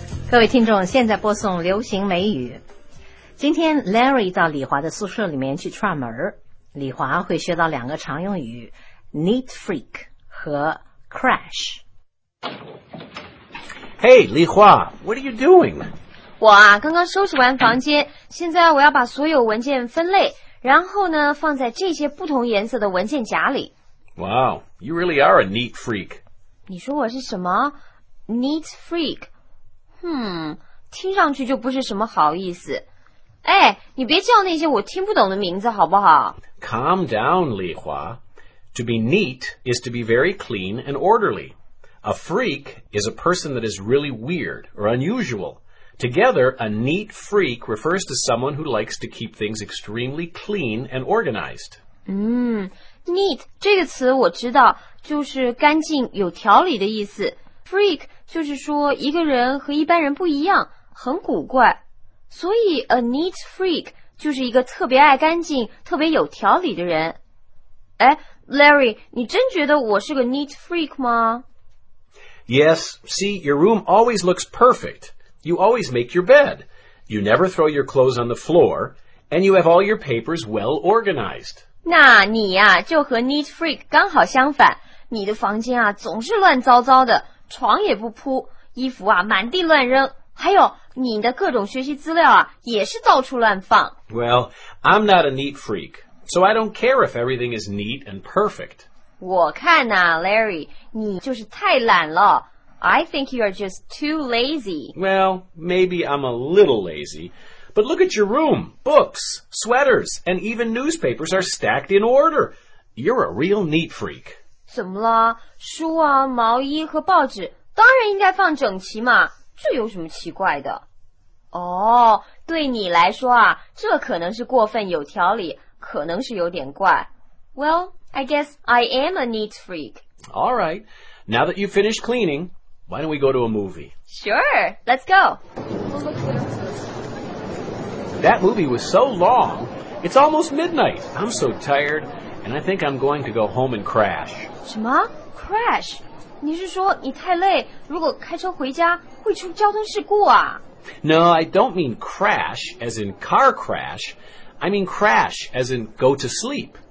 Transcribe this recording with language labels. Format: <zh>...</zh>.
<zh>各位听众，现在播送流行美语。今天 Larry 到李华的宿舍里面去串门，李华会学到两个常用语 Neat Freak 和 Crash。</zh> <en>Hey 李华， What are you doing?</en> <zh>我啊，刚刚收拾完房间，现在我要把所有文件分类，然后呢放在这些不同颜色的文件夹里。</zh> <en>Wow, you really are a neat freak.</en> <zh>你说我是什么 Neat Freak？ 听上去就不是什么好意思。哎，你别叫那些我听不懂的名字好不好？</zh> <en>Calm down, Li Hua. To be neat is to be very clean and orderly. A freak is a person that is really weird or unusual. Together, a neat freak refers to someone who likes to keep things extremely clean and organized.</en> <zh>Neat 这个词我知道，就是干净有条理的意思。 Freak 就是说一个人和一般人不一样，很古怪，所以 a neat freak 就是一个特别爱干净、特别有条理的人。哎 ，Larry， 你真觉得我是个 neat freak 吗</zh> <en>？Yes. See, your room always looks perfect. You always make your bed. You never throw your clothes on the floor, and you have all your papers well organized.</en> <zh>那你呀、就和 neat freak 刚好相反，你的房间啊总是乱糟糟的。床也不铺，衣服啊满地乱扔，还有你的各种学习资料啊也是到处乱放。</zh> <en>Well, I'm not a neat freak, so I don't care if everything is neat and perfect.</en> <zh>我看呐 ，Larry， 你就是太懒了。</zh> <en>I think you are just too lazy. Well, maybe I'm a little lazy, but look at your room. Books, sweaters, and even newspapers are stacked in order. You're a real neat freak.</en> <zh>怎么了？书啊，毛衣和报纸当然应该放整齐嘛，这有什么奇怪的？哦，对你来说啊，这可能是过分有条理，可能是有点怪。</zh> <en>Well, I guess I am a neat freak. All right, now that you've finished cleaning, why don't we go to a movie? Sure, let's go. That movie was so long. It's almost midnight. I'm so tired. And I think I'm going to go home and crash.</en> <zh>什么 ？Crash？你是说你太累，如果开车回家会出交通事故啊</zh> <en>？No, I don't mean crash as in car crash. I mean crash as in go to sleep.</en>